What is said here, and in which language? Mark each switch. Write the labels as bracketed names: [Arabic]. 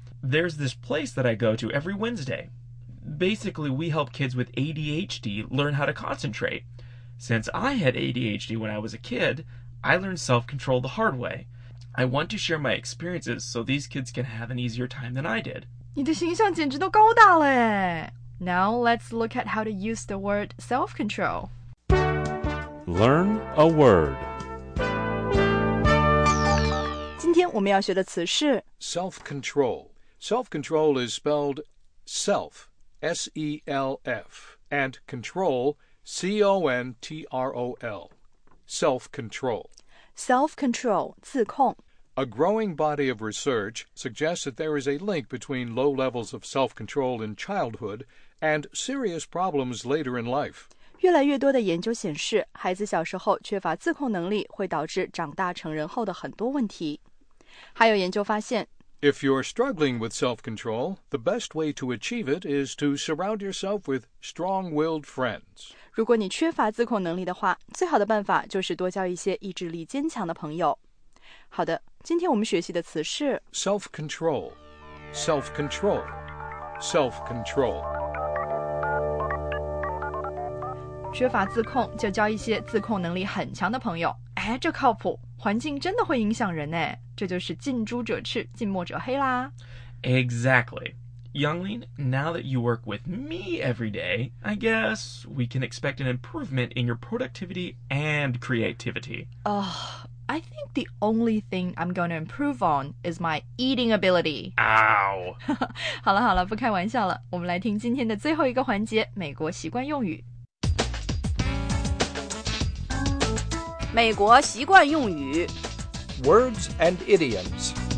[English] There's this place that I go to every Wednesday. Basically, we help kids with ADHD learn how to concentrate. Since I had ADHD when I was a kid, I learned self-control the hard way. I want to share my experiences so these kids can have an easier time than I did. [Chinese] 你的形象简直都高大了。 [English] Now let's look at how to use the word self-control. Learn a word. [Chinese] 今天我们要学的词是 [English] self-control. Self-control is spelled self, S-E-L-F, and control, C-O-N-T-R-O-L. Self-control. Self-control, 自控。 A growing body of research suggests that there is a link between low levels of self-control in childhood and serious problems later in life. [Chinese] 越来越多的研究显示，孩子小时候缺乏自控能力会导致长大成人后的很多问题。还有研究发现， [English] If you're struggling with self-control, the best way to achieve it is to surround yourself with strong-willed friends. [Chinese] 如果你缺乏自控能力的话，最好的办法就是多交一些意志力坚强的朋友。好的，今天我们学习的词是 [English] self-control, self-control, self-control. [Chinese] 缺乏自控，就交一些自控能力很强的朋友。哎，这靠谱，环境真的会影响人呢。这就是近朱者赤，近墨者黑啦。 [English] Exactly. Youngling, now that you work with me every day, I guess we can expect an improvement in your productivity and creativity. I think the only thing I'm going to improve on is my eating ability. Ow! [Chinese] 好了好了，不开玩笑了。我们来听今天的最后一个环节，美国习惯用语。美国习惯用语 [English] Words and idioms